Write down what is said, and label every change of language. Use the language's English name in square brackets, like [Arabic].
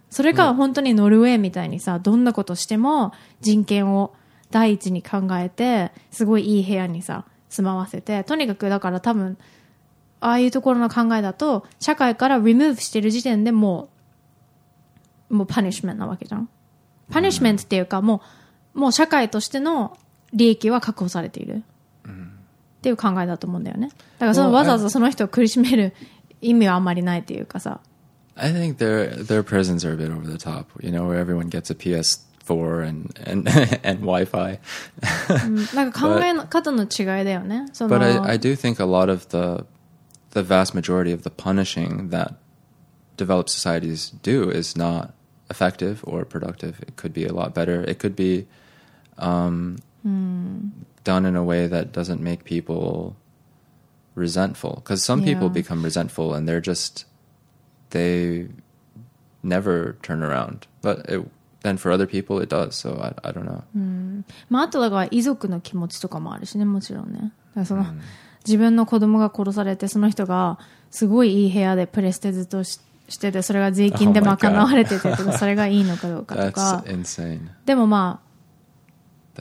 [Japanese] それか本当にノルウェーみたいにさ、どんなことしても人権を第一に考えてすごいいい部屋にさ住まわせて、とにかくだから多分ああいうところの考えだと社会からリムーブしてる時点でもうパニッシュメントなわけじゃん。パニッシュメントっていうか、もう社会としての利益は確保されているっていう考えだと思うんだよね。だからそのわざわざその人を苦しめる意味はあんまりないっていうかさ。 [English] I think their prisons are a bit over the top, you know, where everyone gets a PS4 and Wi-Fi. [Japanese] なんか考え方の違いだよね。その [English] But I do think a lot of the vast majority of the punishing that developed societies do is not effective or productive. It could be a lot better. It could be done in a way that doesn't make people resentful. Because some people become resentful and they're just... they never turn around, but it then for other people it does. So I don't know. [Japanese] まあ、あとだから遺族の気持ちとかもあるしね、もちろんね。だからその、自分の子供が殺されて、その人がすごいいい部屋でプレステずっとしてて、それが税金で賄われてて、それがいいのかどうかとか。 [English] That's insane. [Japanese] でもまあ、